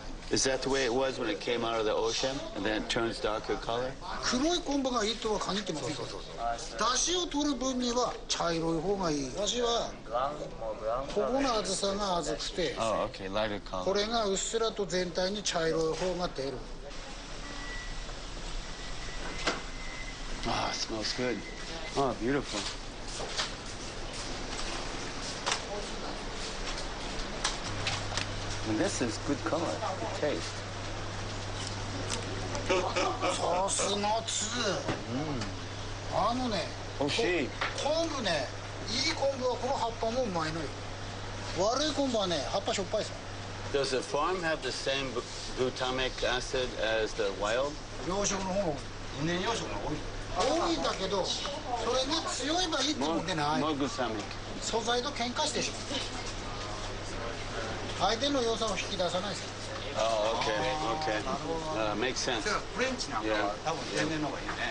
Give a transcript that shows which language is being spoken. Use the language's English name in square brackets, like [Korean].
[English] Is that the way it was when it came out of the ocean and then it turns darker color? [Japanese] 黒い昆布がいいとは限ってません。そうそうそう。出汁を取る分には茶色い方がいい。出汁はここの厚さが厚くて、これがうっすらと全体に茶色い方が出る。 [English] Ah, smells good. Ah, beautiful. And this is good color, good taste. [Japanese] さすが、つあのね、おいしい。昆布ね、いい昆布はこの葉っぱもうまいのよ。悪い昆布はね、葉っぱしょっぱいさ。 [English] Does the farm have the same glutamic acid as the wild? [Japanese] 養殖の方、天然養殖の方多い。多いんだけど、それが強いばいいってもんでない。 [English] More glutamic. [Japanese] 素材と喧嘩してしまう。相手の良さを引き出さないです [English] よ。Oh, okay, okay. Makes sense. [Japanese] フレンチなんかは多分天然の方がいいね。